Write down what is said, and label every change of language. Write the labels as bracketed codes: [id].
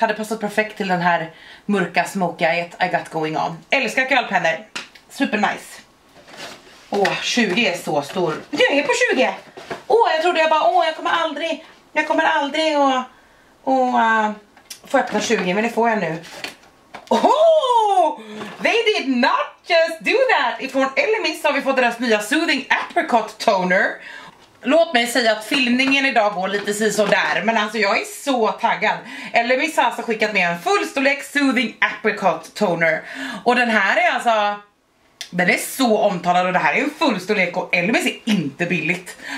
[sv] Hade passat perfekt till den här mörka smokeyet [en] I got going on. [sv] Älskar kajalpennor. [en] Super nice. [sv] Åh, 20 är så stor. Jag är på 20. Åh, jag trodde jag bara, åh, jag kommer aldrig och få öppna 20, men det får jag nu. [en] Åh, they did not just do that. [sv] Ifrån Elemis har vi fått deras nya Soothing Apricot Toner. Låt mig säga att filmningen idag går lite si så där, men alltså jag är så taggad. Elemis har alltså skickat med en fullstorlek Soothing Apricot Toner. Och den här är alltså, den är så omtalad och det här är en fullstorlek och Elemis är inte billigt.